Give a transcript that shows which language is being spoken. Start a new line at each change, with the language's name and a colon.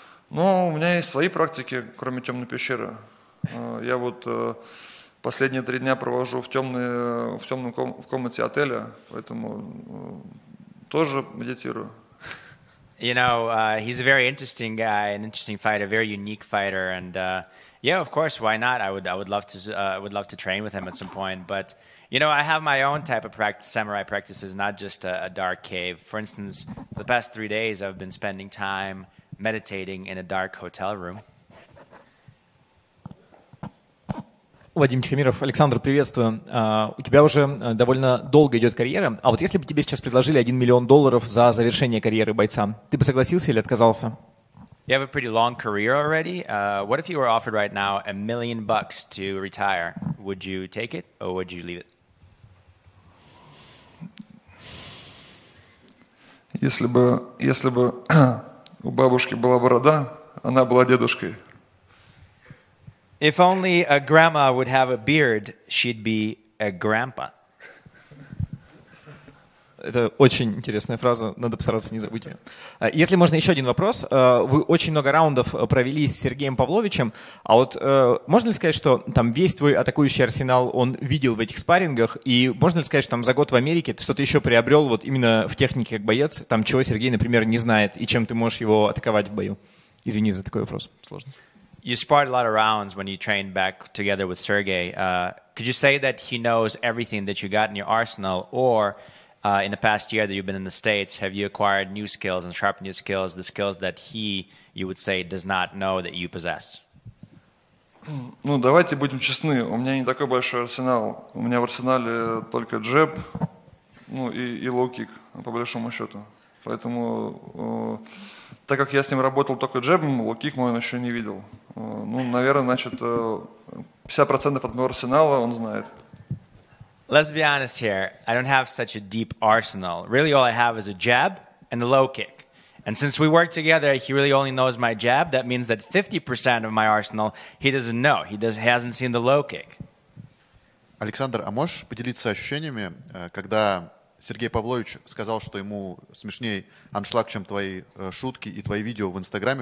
Russian: Но у меня есть свои практики, кроме темной пещеры. Я вот последние 3 дня провожу в комнате отеля, поэтому тоже медитирую.
English: You know, he's a very interesting guy, an interesting fighter, very unique fighter, and yeah, of course, why not? I would love to train with him at some point, but you know, I have my own type of practice, samurai practices, not just a dark cave. For instance, for the past 3 days, I've been spending time meditating in a dark hotel room.
Russian: Вадим Тихомиров, Александр, приветствую. У тебя уже довольно долго идет карьера. А вот если бы тебе сейчас предложили $1 миллион за завершение карьеры бойца, ты бы согласился или отказался?
English: You have a pretty long career already. What if you were offered right now $1 million to retire? Would you take it or would you leave it?
Russian: Если бы у бабушки была борода, она была дедушкой.
English: If only a grandma would have a beard, she'd be a grandpa.
Russian: Это очень интересная фраза, надо постараться не забыть ее. Если можно, еще один вопрос. Вы очень много раундов провели с Сергеем Павловичем, а вот можно ли сказать, что там весь твой атакующий арсенал он видел в этих спаррингах, и можно ли сказать, что там за год в Америке ты что-то еще приобрел вот именно в технике как боец, там чего Сергей, например, не знает, и чем ты можешь его атаковать в бою? Извини за такой вопрос, сложно.
English: You sparred a lot of rounds when you trained back together with Sergey. Could you say that he knows everything that you got in your arsenal, or in the past year that you've been in the States, have you acquired new skills and sharpened your skills, the skills that he, you would say, does not know that you possess?
Russian: Ну, давайте будем честны. У меня не такой большой арсенал. У меня в арсенале только джеб, ну, и лоу-кик, по большому счету. Поэтому, так как я с ним работал только джебом, лоу-кик мой он еще не видел. Ну, наверное, значит, 50% от моего арсенала он знает.
English: Let's be honest here. I don't have such a deep arsenal. Really, all I have is a jab and a low kick. And since we work together, he really only knows my jab. That means that 50% of my arsenal he doesn't know. He hasn't seen the low kick.
Russian: Александр, а можешь поделиться ощущениями, когда Сергей Павлович сказал, что ему смешнее аншлаг, чем твои шутки и твои видео в Инстаграме?